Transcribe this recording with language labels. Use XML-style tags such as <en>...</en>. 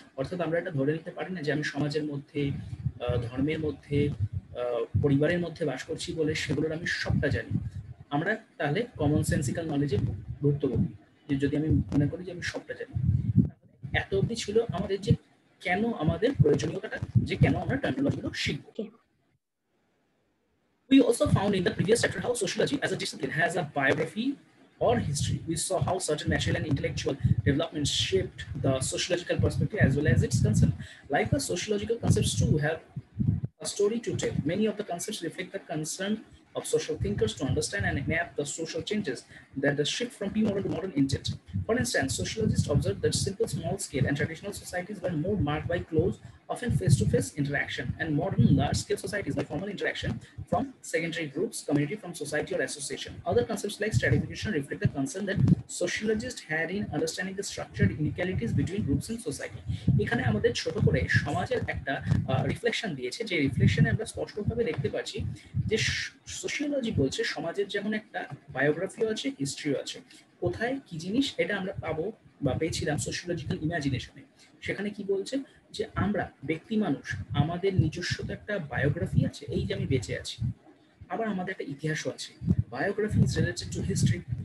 <bn>অর্থাৎ আমরা এটা ধরে নিতে পারি না যে আমি সমাজের মধ্যে, ধর্মের মধ্যে, পরিবারের মধ্যে বাস করছি বলে সেগুলোর আমি সবটা জানি। আমরা তাহলে কমন সেন্সিক্যাল নলেজে গুরুত্ব দেবো, যে যদি আমি মনে করি যে আমি সবটা জানি। তাহলে এত অবধি ছিল আমাদের যে কেন আমাদের প্রয়োজনীয়তাটা, যে কেন আমরা টার্মিনোলজিগুলো শিখব।</bn> <en>We also found in the previous chapter how sociology as a discipline has a biography or history. We saw how certain natural and intellectual developments shaped the sociological perspective as well as its concern. Like the sociological concepts too have a story to tell. Many of the concepts reflect the concern of social thinkers to understand and map the social changes that the shift from pre-modern to modern intend. For instance, sociologists observed that simple small scale and traditional societies were more marked by close, often face-to-face interaction, and modern large-scale societies by formal interaction from secondary groups, community from society or association. Other concepts like stratification reflect the concern that sociologists had in understanding the structured inequalities between groups in society.</en> <bn>এখানে আমাদের ছোট করে সমাজের একটা reflection দিয়েছে, যে রিফ্লেকশনে আমরা স্পষ্টভাবে দেখতে পাচ্ছি যে সোশিওলজি বলছে সমাজের যেমন একটা বায়োগ্রাফিও আছে, হিস্ট্রিও আছে, কোথায় কি জিনিস এটা আমরা পাবো বা পেয়েছিলাম সোশিওলজিক্যাল ইমাজিনেশনে। সেখানে কি বলছে যে আমরা ব্যক্তি মানুষ, আমাদের নিজস্ব তো একটা বায়োগ্রাফি আছে, এই যে আমি বেঁচে আছি, আবার আমাদের একটা ইতিহাসও আছে,</bn> <en>Biography is related to history.</en>